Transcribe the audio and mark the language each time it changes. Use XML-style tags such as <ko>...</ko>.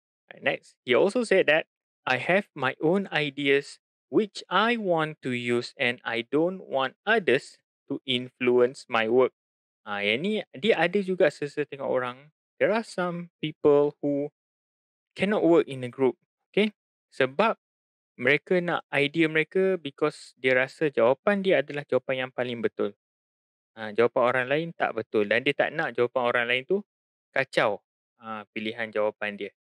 <en>Right, next, he also said that I have my own ideas which I want to use and I don't want others to influence my work.</en> <ms>Ini dia ada juga setengah orang.</ms> <en>There are some people who cannot work in a group.</en> <ms>Okay? Sebab mereka nak idea mereka</ms> <en>because</en> <ms>dia rasa jawapan dia adalah jawapan yang paling betul. Jawapan orang lain tak betul. Dan dia tak nak jawapan orang lain tu kacau pilihan jawapan dia.</ms>